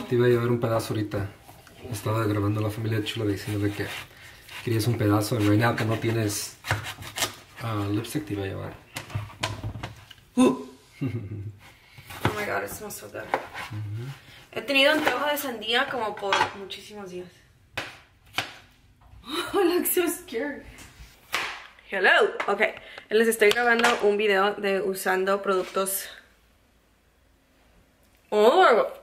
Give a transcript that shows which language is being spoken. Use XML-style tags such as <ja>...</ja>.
<es>Te iba a llevar un pedazo ahorita. Estaba grabando a la familia chula diciendo de que querías un pedazo.</es> <en>Right now</en> <es>que no tienes lipstick, te iba a llevar.</es> <en>Oh my god, it smells so good.</en> <es>Mm-hmm. He tenido un trozo de sandía como por muchísimos días.</es> <en>Oh, I look so scared. Hello. Okay.</en> <es>Les estoy grabando un video de usando productos. Oh.</es>